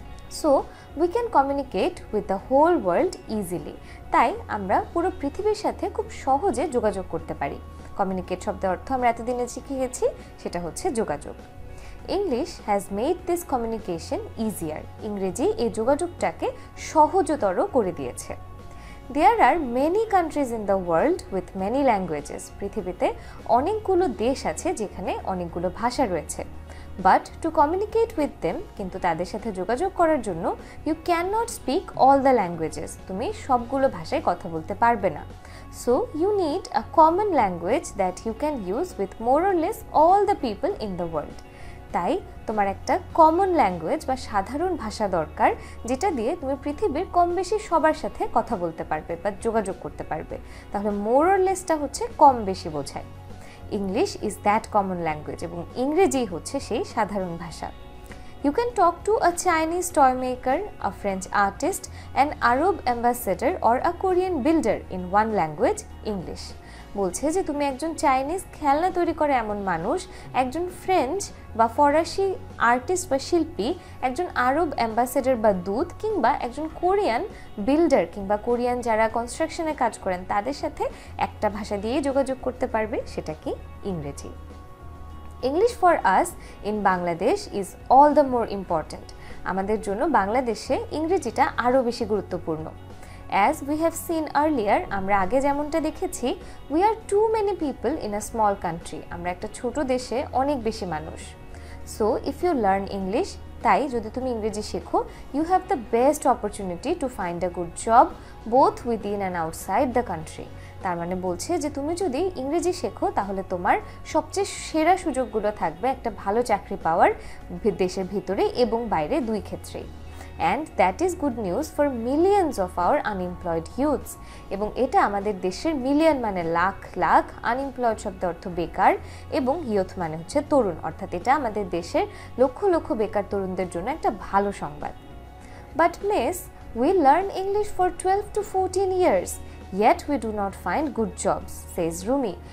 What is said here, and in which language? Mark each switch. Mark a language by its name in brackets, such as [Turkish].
[English] So we can communicate with the whole world easily. [Bangla] তাই আমরা পুরো পৃথিবীর সাথে খুব সহজে যোগাযোগ করতে পারি। কমিউনিকেট শব্দের অর্থ আমরা এতদিনে শিখে গেছি, সেটা হচ্ছে যোগাযোগ। [English] English has made this communication easier. [Bangla] ইংরেজি এই যোগাযোগটাকে সহজতর করে দিয়েছে। [English] There are many countries in the world with many languages. [Bangla] পৃথিবীতে অনেকগুলো দেশ আছে যেখানে অনেকগুলো ভাষা রয়েছে। [English] But to communicate with them, [Bangla] কিন্তু তাদের সাথে যোগাযোগ করার জন্য, [English] you cannot speak all the languages. [Bangla] তুমি সবগুলো ভাষায় কথা বলতে পারবে না। [English] So you need a common language that you can use with more or less all the people in the world. [Bangla] তাই তোমার একটা কমন ল্যাঙ্গুয়েজ বা সাধারণ ভাষা দরকার, যেটা দিয়ে তুমি পৃথিবীর কম বেশি সবার সাথে কথা বলতে পারবে বা যোগাযোগ করতে পারবে। তাহলে [English] more or লেসটা [Bangla] হচ্ছে কম বেশি বোঝায়। [English] English is that common language, [Bangla] এবং ইংরেজি হচ্ছে সেই সাধারণ ভাষা। [English] You can talk to a Chinese toy maker, a French artist, an Arab ambassador, or a Korean builder in one language, English. [Bangla] বলছে যে তুমি একজন চাইনিজ খেলনা তৈরি করে এমন মানুষ, একজন ফ্রেঞ্চ বা ফরাসি আর্টিস্ট বা শিল্পী, একজন আরব অ্যাম্বাসেডার বা দূত, কিংবা একজন কোরিয়ান বিল্ডার কিংবা কোরিয়ান যারা কনস্ট্রাকশনে কাজ করেন তাদের সাথে একটা ভাষা দিয়ে যোগাযোগ করতে পারবে, সেটা কি ইংরেজি। [English] English for us in Bangladesh is all the more important. [Bangla] আমাদের জন্য বাংলাদেশে ইংরেজিটা আরও বেশি গুরুত্বপূর্ণ। [English] As we have seen earlier, [Bangla] আমরা আগে যেমনটা দেখেছি, [English] we are too many people in a small country. [Bangla] আমরা একটা ছোট দেশে অনেক বেশি মানুষ। [English] So if you learn English, [Bangla] তাই যদি তুমি ইংরেজি শেখো, [English] you have the best opportunity to find a good job both within and outside the country. [Bangla] তার মানে বলছে যে তুমি যদি ইংরেজি শেখো তাহলে তোমার সবচেয়ে সেরা সুযোগগুলো থাকবে একটা ভালো চাকরি পাওয়ার, দেশের ভিতরে এবং বাইরে দুই ক্ষেত্রেই। [English] And that is good news for millions of our unemployed youths. [Bangla] এবং এটা আমাদের দেশের মিলিয়ন মানে লাখ লাখ, আনএমপ্লয়েড শব্দ অর্থ বেকার, এবং ইয়ুথ মানে হচ্ছে তরুণ। অর্থাৎ এটা আমাদের দেশের লক্ষ লক্ষ বেকার তরুণদের জন্য একটা ভালো সংবাদ। [English] But miss, we learn English for 12 to 14 years, yet we do not find good jobs, says Rumi.